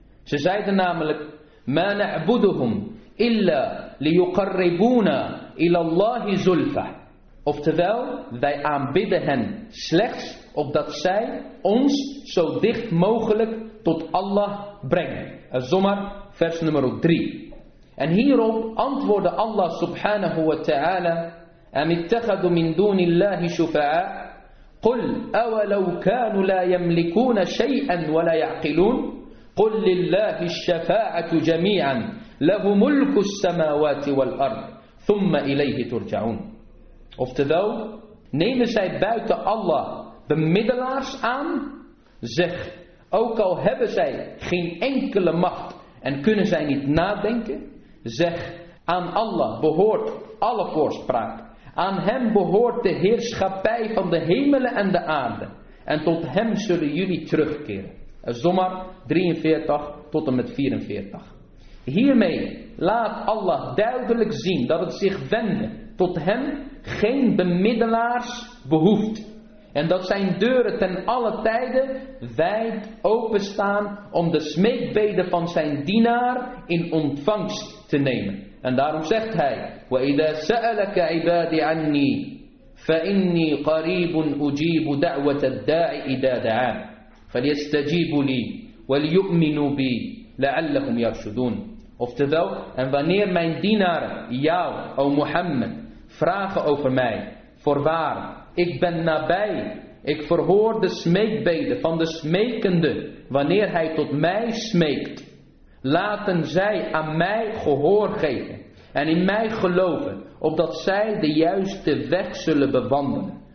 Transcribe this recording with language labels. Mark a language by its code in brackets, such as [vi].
[nl] Ze zeiden namelijk: [ar] ma na'buduhum illa liyuqarribuna ila Allahi zulfa. [nl] Oftewel, wij aanbidden hen slechts opdat zij ons zo dicht mogelijk tot Allah brengen. Az-Zumar, vers nummer 3. En hierop antwoordde [ar] Allah subhanahu wa ta'ala: أم اتخذوا من دون الله شفعاء قل أولو كانوا لا يملكون شيئا ولا يعقلون قل لله الشفاعة جميعا له ملك السماوات والأرض ثم إليه ترجعون. [nl] Oftewel, nemen zij buiten Allah bemiddelaars aan? Zeg, ook al hebben zij geen enkele macht en kunnen zij niet nadenken, zeg, aan Allah behoort alle voorspraak. Aan hem behoort de heerschappij van de hemelen en de aarde. En tot hem zullen jullie terugkeren. Az-Zumar 43 tot en met 44. Hiermee laat Allah duidelijk zien dat het zich wenden tot hem geen bemiddelaars behoeft. En dat zijn deuren ten alle tijden wijd openstaan om de smeekbeden van zijn dienaar in ontvangst te nemen. En daarom zegt hij: [ar] وَإِذَا سَأَلَكَ عِبَادِ عَنِّي فَإِنِّي قَرِيبٌ أُجِيبُ دَعْوَةَ الدَّاعِ إِذَا دَعَانِ فَلْيَسْتَجِيبُوا لِي وَلْيُؤْمِنُوا بِي لَعَلَّهُمْ يَرْشُدُونَ. [nl] Oftewel, en wanneer mijn dienaren jou, o Mohammed, vragen over mij: voorwaar, ik ben nabij, ik verhoor de smeekbeden van de smekende wanneer hij tot mij smeekt, laten zij aan mij gehoor geven en in mij geloven, opdat zij de juiste weg zullen bewandelen.